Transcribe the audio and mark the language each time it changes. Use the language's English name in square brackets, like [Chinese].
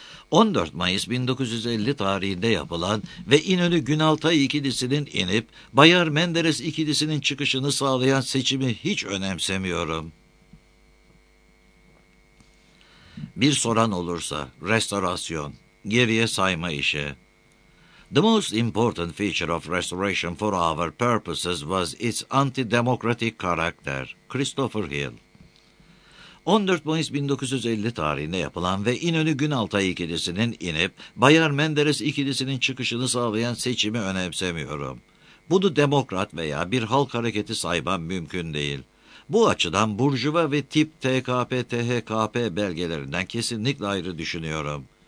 [Turkish] 14 Mayıs 1950 tarihinde yapılan ve İnönü Günaltay ikilisinin inip Bayar Menderes ikilisinin çıkışını sağlayan seçimi hiç önemsemiyorum. Bir soran olursa, restorasyon, geriye sayma işi. [English] The most important feature of restoration for our purposes was its anti-democratic character. Christopher Hill. [Turkish] 14 Mayıs 1950 tarihinde yapılan ve İnönü Günaltay ikilisinin inip Bayar Menderes ikilisinin çıkışını sağlayan seçimi önemsemiyorum. Bunu demokrat veya bir halk hareketi saymam mümkün değil. Bu açıdan burjuva ve tip TKP-THKP belgelerinden kesinlikle ayrı düşünüyorum.